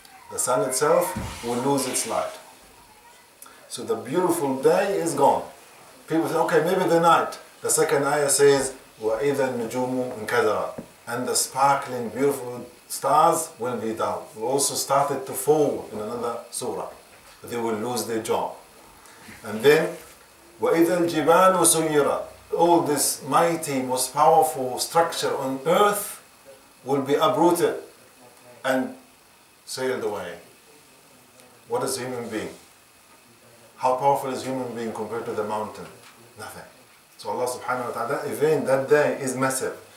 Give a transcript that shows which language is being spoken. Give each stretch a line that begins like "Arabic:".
English: The sun itself will lose its light. So the beautiful day is gone. People say, okay, maybe the night. The second ayah says,
Arabic: وَإِذَا النُّجُومُ انْكَدَرَتْ.
English: And the sparkling, beautiful stars will be dull. They also started to fall in another surah. They will lose their job. And then,
Arabic: وَإِذَا الْجِبَالُ سُيِّرَتْ.
English: All this mighty, most powerful structure on earth will be uprooted and sailed away. What is a human being? How powerful is a human being compared to the mountain? Nothing. So Allah subhanahu wa ta'ala, that event, that day is massive.